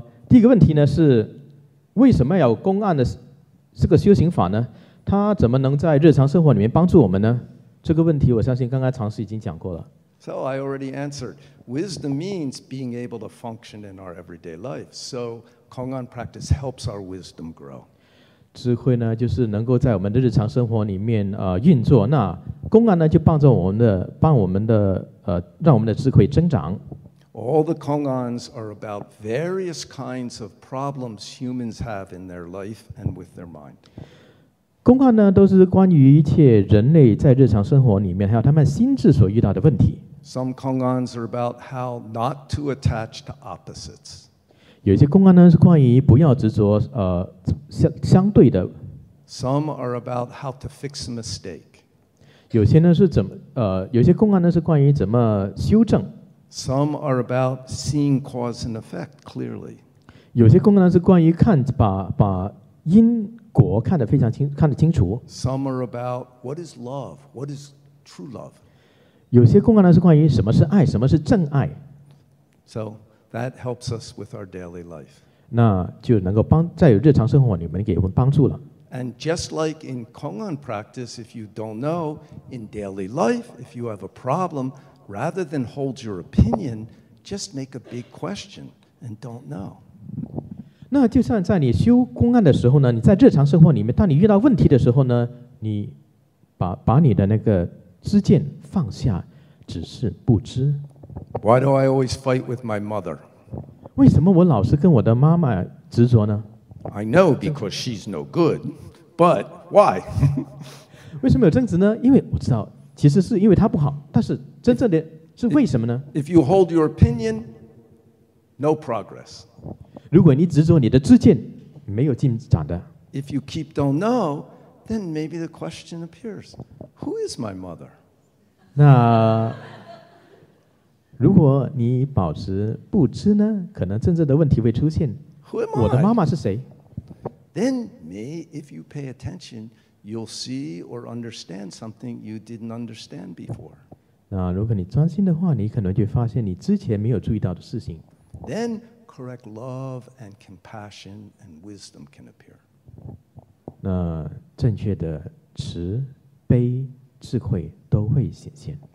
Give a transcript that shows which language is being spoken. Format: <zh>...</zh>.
<zh>第一个问题呢是为什么要有公案的这个修行法呢，它怎么能在日常生活里面帮助我们呢？这个问题我相信刚才常师已经讲过了。</zh> <en>So I already answered. Wisdom means being able to function in our everyday life. So Kong'an practice helps our wisdom grow.</en> <zh>智慧呢，就是能够在我们的日常生活里面运作。那Kong'an呢，就帮助我们的，让我们的智慧增长。</zh> <en>All the Kong'ans are about various kinds of problems humans have in their life and with their mind.</en> <zh>Kong'an 呢，都是关于一切人类在日常生活里面，还有他们心智所遇到的问题。</zh> <en>Some Kong'ans are about how not to attach to opposites.</en> <zh>有些Kong'an呢，是关于不要执着相对的。</zh> <en>Some are about how to fix a mistake.</en> <zh>有些呢，是怎么有些Kong'an呢，是关于怎么修正。</zh> <en>Some are about seeing cause and effect clearly.</en> <zh>有些Kong'an呢，是关于看把因果看得非常清，看得清楚。</zh> <en>Some are about what is love, what is true love.</en> <zh>有些Kong'an呢，是关于什么是爱，什么是正爱。</zh> <en>So that helps us with our daily life.</en> <zh>那就能够帮在日常生活里面给我们帮助了。</zh> <en>And just like in Kong'an practice, if you don't know, in daily life, if you have a problem, rather than hold your opinion, just make a big question and don't know.</en> <zh>那就像在你修Kong'an的时候呢，你在日常生活里面，当你遇到问题的时候呢，你把你的那个知见放下，只是不知。</zh> <en>Why do I always fight with my mother?</en> <zh>为什么我老是跟我的妈妈执着呢？</zh> <en>I know because she's no good, but why?</en> <zh>为什么有争执呢？因为我知道，其实是因为她不好，但是真正的是为什么呢？</zh> <en>If you hold your opinion, no progress.</en> <zh>如果你执着你的知见，没有进展的。</zh> <en>If you keep don't know, then maybe the question appears, who is my mother?</en> <zh>那如果你保持不知呢，可能真正的问题会出现。我的妈妈是谁？</zh> <en>Then may if you pay attention, you'll see or understand something you didn't understand before.</en> <zh>那如果你专心的话，你可能就发现你之前没有注意到的事情。</zh> <en>Then correct love and compassion and wisdom can appear.</en> <zh>那正确的慈悲智慧都会显现。</zh>